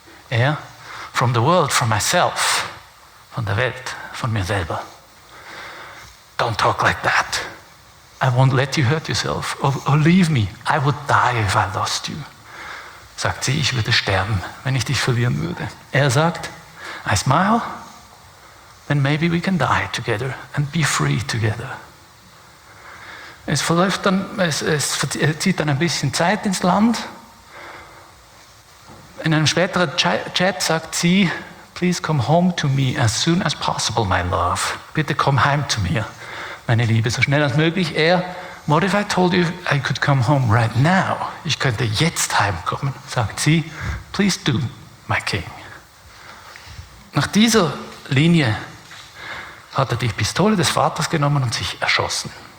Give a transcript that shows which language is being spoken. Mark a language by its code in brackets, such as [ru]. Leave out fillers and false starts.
[en] Er, from the world, from myself. [de] Von der Welt, von mir selber. [en] Don't talk like that. I won't let you hurt yourself. Or leave me. I would die if I lost you. [de] Sagt sie, ich würde sterben, wenn ich dich verlieren würde. Er sagt, [en] I smile. Then maybe we can die together and be free together. [de] Es zieht dann ein bisschen Zeit ins Land. In einem späteren Chat sagt sie, [en] please come home to me as soon as possible, my love. [de] Bitte komm heim zu mir, meine Liebe, so schnell als möglich. [en] Er, what if I told you I could come home right now? [de] Ich könnte jetzt heimkommen, sagt sie. [en] Please do, my king. [de] Nach dieser Linie hat er die Pistole des Vaters genommen und sich erschossen.